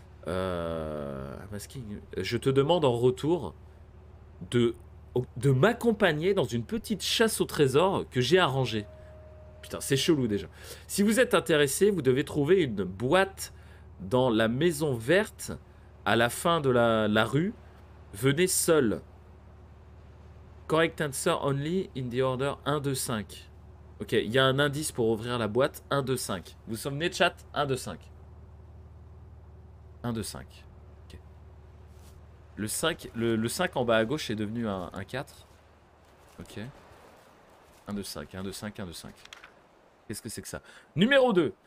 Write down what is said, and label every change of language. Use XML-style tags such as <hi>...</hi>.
<fr>Je te demande en retour de m'accompagner dans une petite chasse au trésor que j'ai arrangée. Putain, c'est chelou déjà. Si vous êtes intéressé, vous devez trouver une boîte dans la maison verte à la fin de la rue. Venez seul.</fr> <en>Correct answer only in the order 1, 2, 5.</en> <fr>Ok, il y a un indice pour ouvrir la boîte. 1, 2, 5. Vous souvenez, chat? 1, 2, 5. 1, 2, 5. Le 5, le 5 en bas à gauche est devenu un 4. Ok. 1, 2, 5. 1, 2, 5. 1, 2, 5. Qu'est-ce que c'est que ça? Numéro 2.</fr>